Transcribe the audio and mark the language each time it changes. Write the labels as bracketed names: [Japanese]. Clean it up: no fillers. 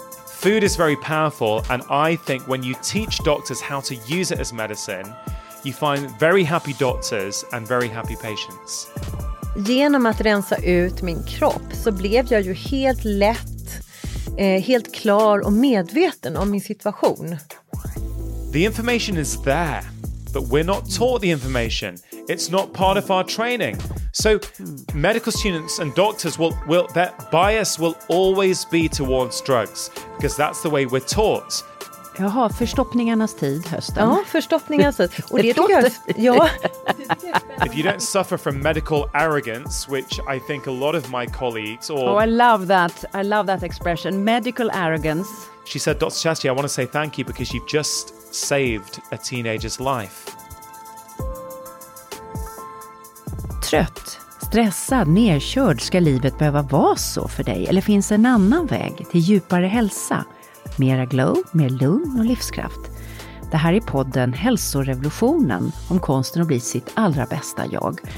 [English] Food is very powerful, and I think when you teach doctors how to use it as medicine, you find very happy doctors and very happy patients. [Swedish] Genom att rensa ut min kropp så blev jag ju helt lätt, helt klar och medveten om min situation. [English] The information is there, but we're not taught the information. It's not part of our training. So medical students and doctors, will that bias will always be towards drugs because that's the way we're taught. [Swedish] Jaha, förstoppningarnas tid hösten. Ja, förstoppningarnas tid. Och det tycker jag, ja. [English] If you don't suffer from medical arrogance, which I think a lot of my colleagues or... Oh, I love that. I love that expression. Medical arrogance. She said, Dr. Chastity, I want to say thank you because you've just saved a teenager's life. [Swedish] Trött, stressad, nedkörd, ska livet behöva vara så för dig? Eller finns en annan väg till djupare hälsa? Mera glow, mer lugn och livskraft. Det här är podden Hälsorevolutionen, om konsten att bli sitt allra bästa jag.